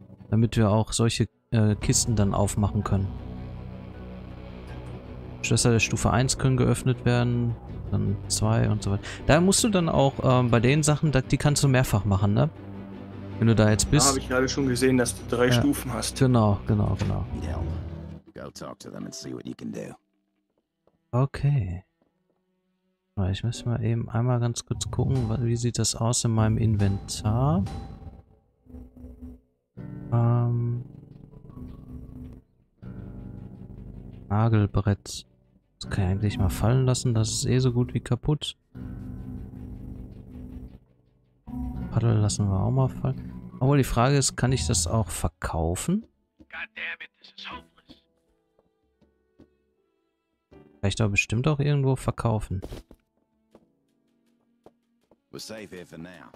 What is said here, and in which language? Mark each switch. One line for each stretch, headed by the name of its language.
German: Damit wir auch solche Kisten dann aufmachen können. Schlösser der Stufe 1 können geöffnet werden, dann 2 und so weiter. Da musst du dann auch bei den Sachen, die kannst du mehrfach machen, ne? Wenn du da jetzt bist. Da habe ich gerade schon gesehen, dass du 3 Stufen hast. Genau.
English: Go talk to them and see what you can do.
German: Okay. Ich muss mal eben einmal ganz kurz gucken, wie sieht das aus in meinem Inventar. Nagelbrett. Das kann ich eigentlich mal fallen lassen. Das ist eh so gut wie kaputt. Paddel lassen wir auch mal fallen. Aber die Frage ist, kann ich das auch verkaufen?
English: Goddammit, this is hopeless.
German: Kann ich da bestimmt auch irgendwo verkaufen.
English: We're safe here for now.